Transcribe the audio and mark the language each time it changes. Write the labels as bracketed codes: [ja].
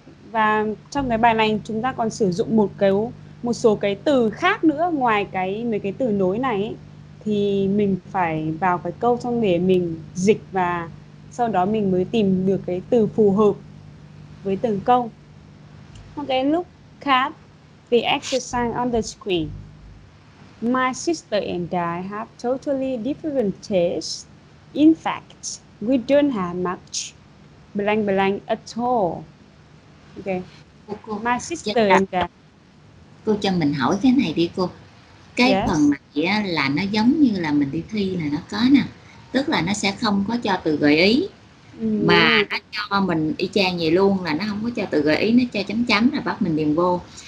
[vi] Và trong cái bài này chúng ta còn sử dụng một số cái từ khác nữa ngoài cái mấy cái từ nối này ấy, thì mình phải vào cái câu xong để mình dịch và sau đó mình mới tìm được cái từ phù hợp với từng câu. [en] Okay, look at the exercise on the screen. My sister and I have totally different tastes. In fact, we don't have much blank blank at all. Okay. [vi] Cô, [en] my sister and I. [vi] Cô cho mình hỏi cái này đi cô. Cái yes. Phần này là nó giống như là mình đi thi là nó có nè. Tức là nó sẽ không có cho từ gợi ý. Mà nó cho mình y chang vậy luôn, là nó không có cho từ gợi ý, nó cho chấm chấm là bắt mình điền vô.